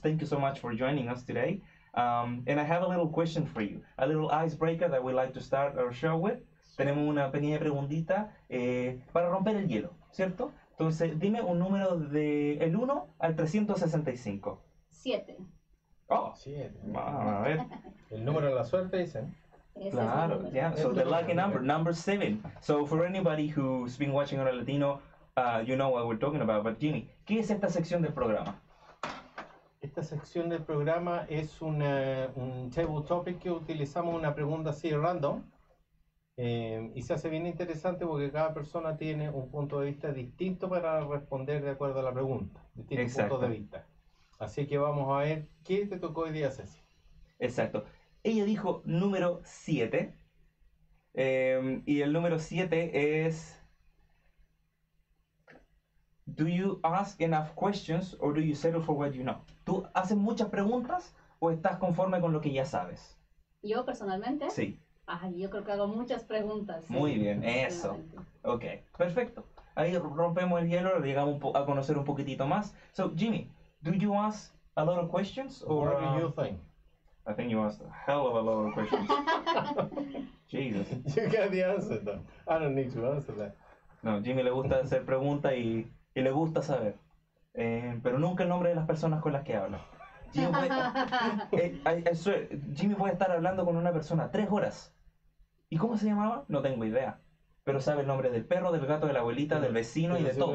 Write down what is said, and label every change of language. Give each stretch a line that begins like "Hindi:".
English: Thank you so much for joining us today. And I have a little question for you, a little icebreaker that we like to start our show with.
Spanish: Tenemos una pequeña preguntita para romper el hielo, ¿cierto? Entonces, dime un número de el 1 al 365. 7. Oh, 7. Vamos a ver. El número de la suerte, dicen.
English: Claro, yeah. So the lucky number 7. So for anybody who's been watching on a Latino, you know what we're talking about. But Jimmy,
Spanish: ¿qué es esta sección del programa? Esta sección del programa es un table topic que utilizamos, una pregunta así random. Y se hace bien interesante porque cada persona tiene un punto de vista distinto para responder de acuerdo a la pregunta. Distintos puntos de vista. Así que vamos a ver qué te tocó hoy día, Ceci. Exacto. Ella dijo número 7. Y el número 7 es...
English: Do you ask enough questions or do you settle for what you know?
Spanish: ¿Tú haces muchas preguntas o estás conforme con lo que ya sabes? ¿Yo personalmente? Sí. Ay, yo creo que hago muchas preguntas. Muy bien, eso. Ok, perfecto. Ahí rompemos el hielo, llegamos a conocer un poquitito más.
English: So, Jimmy, do you ask a lot of questions or... What do you think? I think you asked a hell of a lot of questions. Jesus. You got the answer, though. I don't need to answer that.
Spanish: No, Jimmy le gusta hacer preguntas y le gusta saber. Pero nunca el nombre de las personas con las que hablo. Jimmy puede estar hablando con una persona 3 horas. ¿Y cómo se llamaba? No tengo idea. Pero sabe el nombre del perro, del gato, de la abuelita, del vecino y de todos.